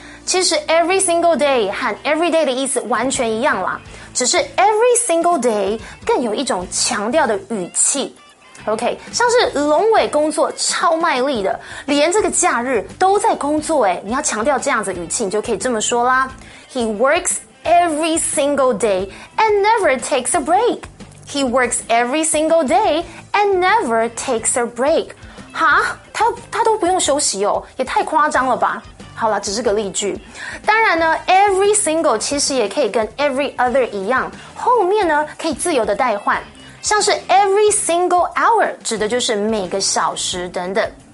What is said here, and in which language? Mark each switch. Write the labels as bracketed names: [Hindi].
[Chinese] 其实 every single day 和 every day 的意思完全一样啦，只是 every single day 更有一种强调的语气。 OK， 像是龙伟工作超卖力的，连这个假日都在工作诶，你要强调这样子的语气，你就可以这么说啦。 [English] He works every single day and never takes a break. He works every single day and never takes a break. 哈？ [Chinese] 他都不用休息哦，也太夸张了吧。好啦，只是个例句。当然呢， every single 其实也可以跟 every other 一样，后面呢可以自由的代换。像是 every single hour 指的就是每个小时等等。